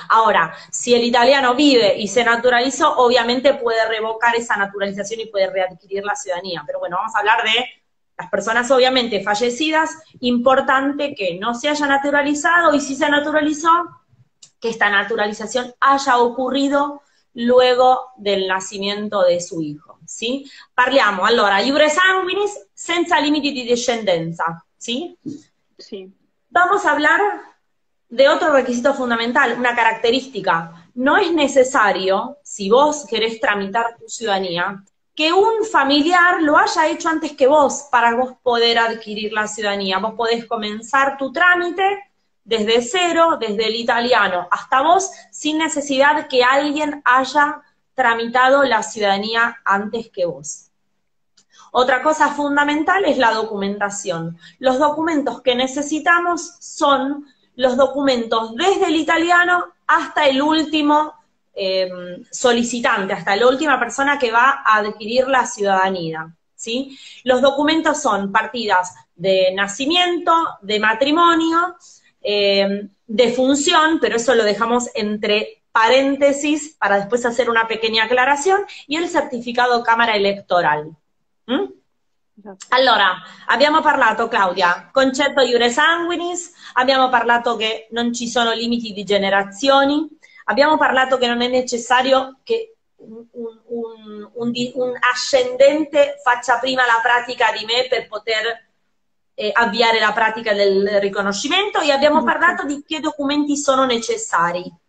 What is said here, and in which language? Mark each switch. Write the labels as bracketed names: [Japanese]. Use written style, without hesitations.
[Spanish] Ahora, si el italiano vive y se naturalizó, obviamente puede revocar esa naturalización y puede readquirir la ciudadanía. Pero bueno, vamos a hablar de las personas obviamente fallecidas. Importante que no se haya naturalizado y si se naturalizó, que esta naturalización haya ocurrido luego del nacimiento de su hijo. ¿Sí? [Italian] Parliamo allora, iure sanguinis senza limiti di discendenza. [Spanish] ¿Sí? [Italian] Sì. [Spanish] Vamos a hablar de otro requisito fundamental, una característica. No es necesario, si vos querés tramitar tu ciudadanía, que un familiar lo haya hecho antes que vos para vos poder adquirir la ciudadanía. Vos podés comenzar tu trámite desde cero, desde el italiano hasta vos, sin necesidad que alguien haya tramitado la ciudadanía antes que vos. Otra cosa fundamental es la documentación. Los documentos que necesitamos son los documentos desde el italiano hasta el último solicitante, hasta la última persona que va a adquirir la ciudadanía, ¿sí? Los documentos son partidas de nacimiento, de matrimonio, de función, pero eso lo dejamos entre paréntesis para después hacer una pequeña aclaración y el certificado cámara electoral. [Italian] Esatto. Allora, abbiamo parlato, Claudia, concetto iure sanguinis, abbiamo parlato che non ci sono limiti di generazioni, abbiamo parlato che non è necessario che un ascendente faccia prima la pratica di me per poter avviare la pratica del riconoscimento e abbiamo parlato di che documenti sono necessari.